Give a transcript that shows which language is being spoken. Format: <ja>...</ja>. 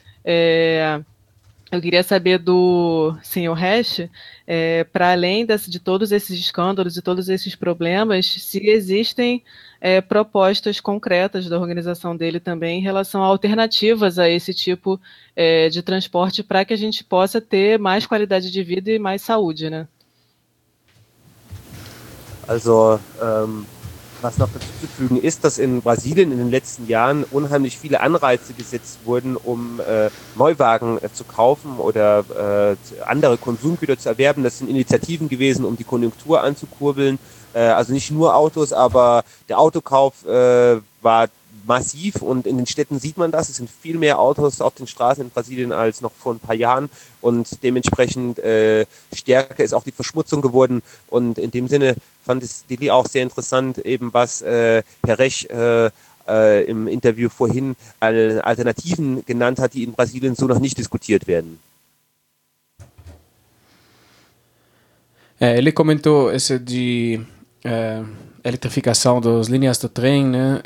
<pt>Eu queria saber do senhor Hesch, para além de todos esses escândalos e todos esses problemas, se existem propostas concretas da organização dele também em relação a alternativas a esse tipo de transporte para que a gente possa ter mais qualidade de vida e mais saúde, né?</pt> <de>Also, Was noch dazu zu fügen ist, dass in Brasilien in den letzten Jahren unheimlich viele Anreize gesetzt wurden, um Neuwagen zu kaufen oder andere Konsumgüter zu erwerben. Das sind Initiativen gewesen, um die Konjunktur anzukurbeln. Also nicht nur Autos, aber der Autokauf war massiv und in den Städten sieht man das. Es sind viel mehr Autos auf den Straßen in Brasilien als noch vor ein paar Jahren und dementsprechend stärker ist auch die Verschmutzung geworden. Und in dem Sinne fand es Dili auch sehr interessant, eben was Herr Rech im Interview vorhin an Alternativen genannt hat, die in Brasilien so noch nicht diskutiert werden.</de> <pt>Ele comentou esse de eletrificação das linhas do trem, né?</pt>